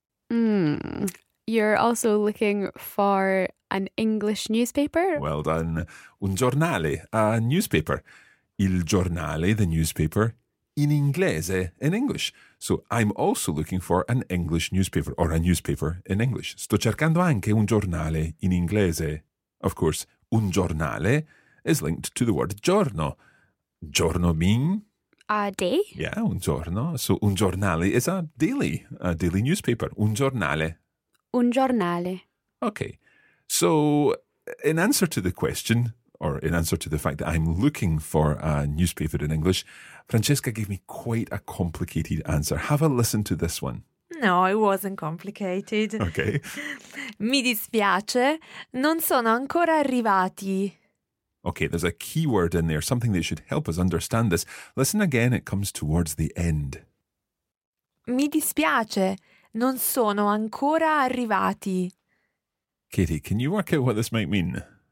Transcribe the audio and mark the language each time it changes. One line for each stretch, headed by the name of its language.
English: You're also looking for an English newspaper? Well done.
Italian: Un giornale,
English: a newspaper.
Italian: Il giornale,
English: the newspaper,
Italian: in inglese,
English: in English. So I'm also looking for an English newspaper, or a newspaper in English.
Italian: Sto cercando anche un giornale in inglese.
English: Of course, un giornale is linked to the word giorno. Giorno being? A day? Yeah,
Italian: un giorno.
English: So un giornale is a daily newspaper.
Italian: Un giornale. Un giornale.
English: Okay. So, in answer to the question, or in answer to the fact that I'm looking for a newspaper in English, Francesca gave me quite a complicated answer. Have a listen to this one. No, it wasn't complicated. Okay.
Italian: Mi dispiace, non sono ancora arrivati.
English: Okay, there's a key word in there, something that should help us understand this. Listen again, it comes towards the end.
Italian: Mi dispiace. Non sono ancora arrivati.
English: Katie, can you work out what this might mean?